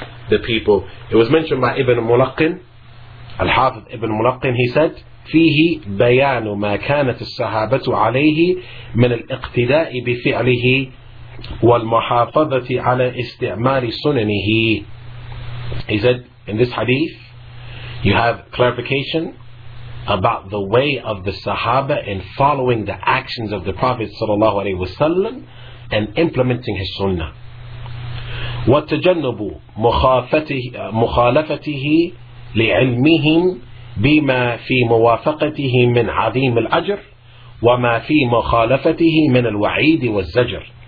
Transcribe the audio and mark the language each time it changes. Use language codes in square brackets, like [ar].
[en] It was mentioned by Ibn Mulaqqin, Al-Hafidh Ibn Mulaqqin, he said, [ar] فيه بيان ما كانت الصحابة عليه من الاقتداء بفعله والمحافظة على استعمال سننه. [en] He said, in this hadith, you have clarification about the way of the Sahaba in following the actions of the Prophet sallallahu alaihi wasallam and implementing his sunnah. [ar] وتجنب مخالفته لعلمهم بما في موافقته من عظيم الأجر وما في مخالفته من الوعيد والزجر.